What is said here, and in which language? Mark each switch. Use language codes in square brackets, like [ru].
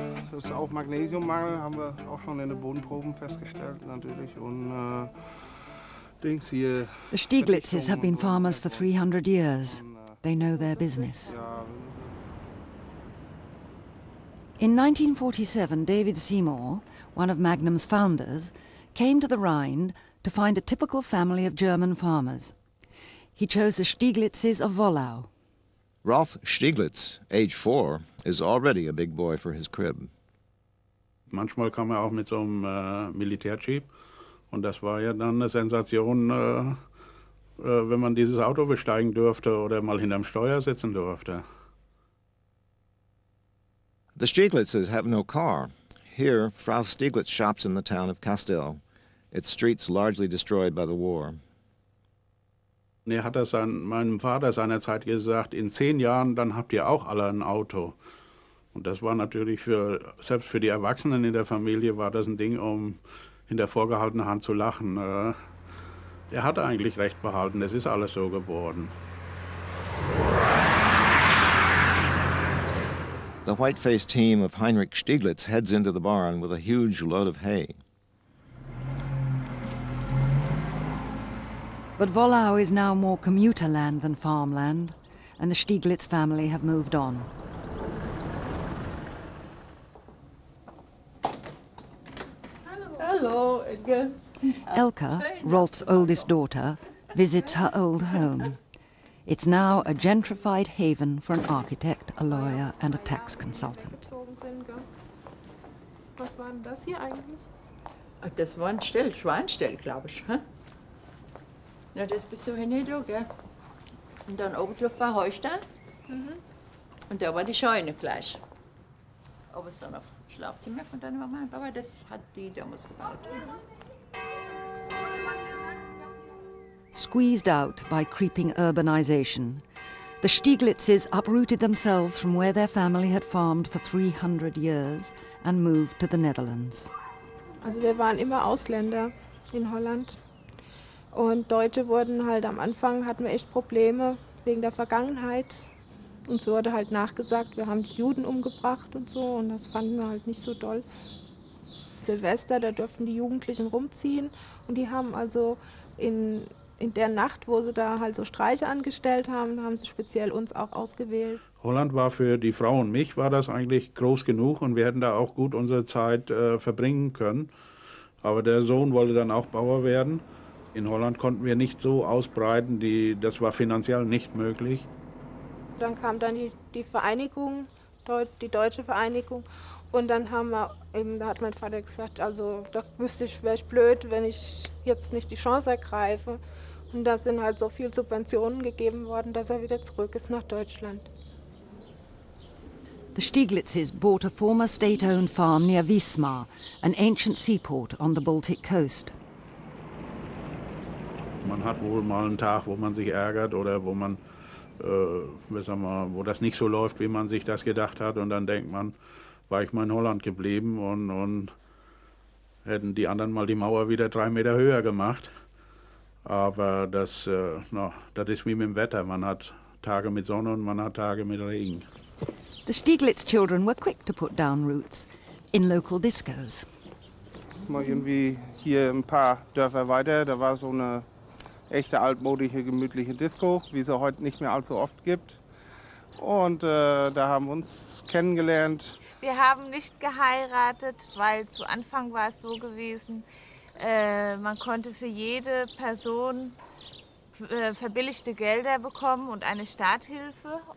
[de] Das ist auch Magnesiummangel, haben wir auch schon in den Bodenproben festgestellt, natürlich. Und Dings hier. [en] The Stieglitzes have been farmers for 300 years. They know their business. In 1947, David Seymour, one of Magnum's founders, came to the Rhine to find a typical family of German farmers. He chose the Stieglitzes of Wollau. Rolf Stieglitz, age 4, is already a big boy for his crib. [de] Manchmal kam auch mit so einem Militärjeep. Und das war ja dann eine Sensation, wenn man dieses Auto besteigen durfte oder mal hinterm Steuer sitzen durfte. [en] The Stieglitzes have no car. Here, Frau Stieglitz shops in the town of Kastel, its streets largely destroyed by the war. [de] Er hat das meinem Vater seinerzeit gesagt, in 10 Jahren, dann habt ihr auch alle ein Auto. Und das war natürlich für, selbst für die Erwachsenen in der Familie, war das ein Ding, um hinter vorgehaltener Hand zu lachen. Er hatte eigentlich recht behalten, es ist alles so geworden. [en] The white-faced team of Heinrich Stieglitz heads into the barn with a huge load of hay. But Wollau is now more commuter land than farmland, and the Stieglitz family have moved on. Hello, Edgar. Elke, Rolf's oldest daughter, visits her old home. It's now a gentrified haven for an architect, a lawyer, and a tax consultant. [de] Was war denn das hier eigentlich? Das war ein Stall, Schweinstall, glaube ich. Na, das bist du hin, du, gell? Und dann oben drauf war Heustall. Mhm. Und da war die Scheune gleich. Aber es dann auf das Schlafzimmer von deiner Mama. Aber das hat die damals gebaut. [en] Squeezed out by creeping urbanization, the Stieglitzes uprooted themselves from where their family had farmed for 300 years and moved to the Netherlands. [de] Also wir waren immer Ausländer in Holland. Und Deutsche wurden halt am Anfang, hatten wir echt Probleme wegen der Vergangenheit. Und so wurde halt nachgesagt, wir haben die Juden umgebracht und so. Und das fanden wir halt nicht so doll. Silvester, da durften die Jugendlichen rumziehen. Und die haben also in der Nacht, wo sie da halt so Streiche angestellt haben, haben sie speziell uns auch ausgewählt. Holland war für die Frau und mich, war das eigentlich groß genug und wir hätten da auch gut unsere Zeit verbringen können. Aber der Sohn wollte dann auch Bauer werden. In Holland konnten wir nicht so ausbreiten, das war finanziell nicht möglich. Dann kam dann die Vereinigung, die deutsche Vereinigung. Und dann haben wir eben, da hat mein Vater gesagt, also da wäre ich blöd, wenn ich jetzt nicht die Chance ergreife. Und da sind halt so viele Subventionen gegeben worden, dass er wieder zurück ist nach Deutschland. [en] The Stieglitzes bought a former state-owned farm near Wismar, an ancient seaport on the Baltic coast. [de] Man hat wohl mal einen Tag, wo man sich ärgert oder wo man, wo das nicht so läuft, wie man sich das gedacht hat. Und dann denkt man, war ich mal in Holland geblieben und hätten die anderen mal die Mauer wieder 3 Meter höher gemacht. Aber das, das ist wie mit dem Wetter. Man hat Tage mit Sonne und man hat Tage mit Regen. [en] The Stieglitz children were quick to put down roots in local discos. [de] Mal irgendwie hier ein paar Dörfer weiter, da war so eine echte altmodische, gemütliche Disco, wie sie heute nicht mehr allzu oft gibt. Und da haben wir uns kennengelernt. Wir haben nicht geheiratet, weil zu Anfang war es so gewesen, man konnte für jede Person verbilligte Gelder bekommen und eine Starthilfe.